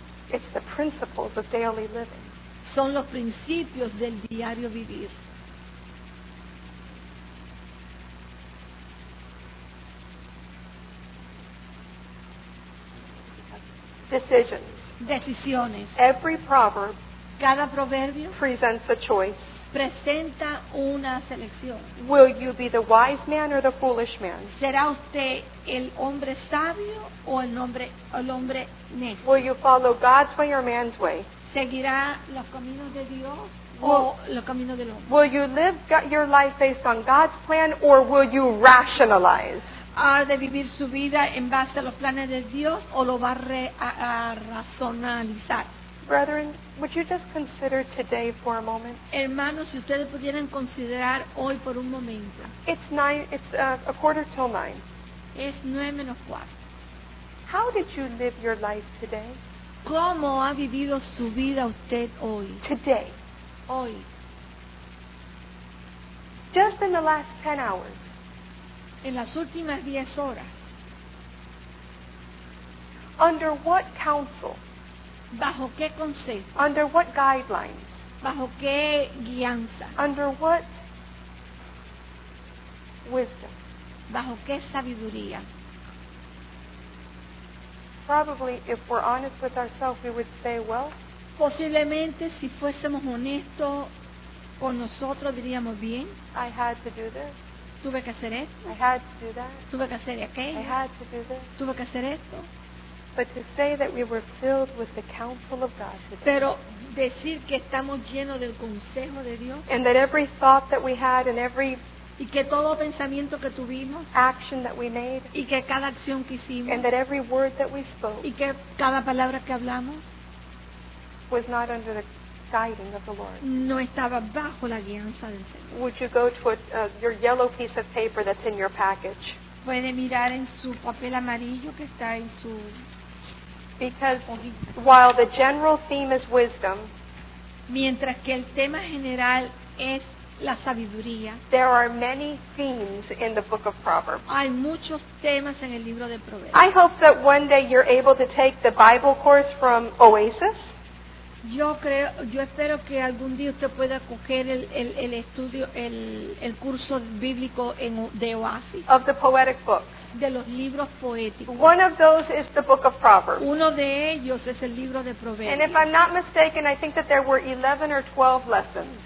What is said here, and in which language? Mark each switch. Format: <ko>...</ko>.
<en>It's the principles of daily living.</en> <es>Son los principios del diario vivir.</es> <en>Decisions.</en> <es>Decisiones.</es> <en>Every proverb,</en> <es>cada proverbio,</es> <en>presents a choice.</en> <es>Presenta una selección.</es> <en>Will you be the wise man or the foolish man?</en> <es>¿Será usted el hombre sabio o el hombre necio?</es> <en>Will you follow God's way or man's way?</en> <es>¿Seguirá los caminos de Dios o los caminos del hombre?</es> <en>Will you live your life based on God's plan or will you rationalize?</en> <es>¿Ha de vivir su vida en base a los planes de Dios o lo va a racionalizar?</es> <en>Brethren, would you just consider today for a moment?</en> <es>Hermanos, si ustedes pudieran considerar hoy por un momento.</es> <en>It's a quarter till nine.</en> <es>Es 9:45.</es> <en>How did you live your life today?</en> <es>¿Cómo ha vivido su vida usted hoy?</es> <en>Today.</en> <es>Hoy.</es> <en>Just in the last 10 hours.</en> <es>En las últimas 10 horas.</es> <en>Under what counsel?</en> <es>¿Bajo qué consejo?</es> <en>Under what guidelines?</en> <es>¿Bajo qué guianza?</es> <en>Under what wisdom?</en> <es>¿Bajo qué sabiduría?</es> <en>Probably, if we're honest with ourselves, we would say, well,</en> <es>posiblemente, si fuésemos honestos con nosotros, diríamos bien.</es> <en>I had to do this.</en> <es>Tuve que hacer esto.</es> <en>I had to do that.</en> <es>Tuve que hacer aquello.</es> <en>I had to do this.</en> <es>Tuve que hacer esto.</es> <en>But to say that we were filled with the counsel of God today.</en> <es>Pero decir que estamos llenos del consejo de Dios.</es> <en>And that every thought that we had and every</en> <es>y que todo pensamiento que tuvimos,</es> <en>action that we made</en> <es>y que cada acción que hicimos,</es> <en>and that every word that we spoke</en> <es>y que cada palabra que hablamos,</es> <en>was not under the guiding of the Lord.</en> <es>No estaba bajo la guianza del Señor.</es> <en>Would you go to your yellow piece of paper that's in your package?</en> <es>Puede mirar en su papel amarillo que está en su.</es> <en>Because while the general theme is wisdom,</en> <es>mientras que el tema general es la sabiduría,</es> <en>there are many themes in the book of Proverbs.</en> <es>Hay muchos temas en el libro de Proverbios.</es> <en>I hope that one day you're able to take the Bible course from Oasis.</en> <es>Yo creo, yo espero que algún día usted pueda coger el estudio, el curso bíblico de Oasis.</es> <en>Of the poetic books.</en> <es>De los libros poéticos.</es> <en>One of those is the book of Proverbs.</en> <es>Uno de ellos es el libro de Proverbios.</es> <en>And if I'm not mistaken, I think that there were 11 or 12 lessons.</en>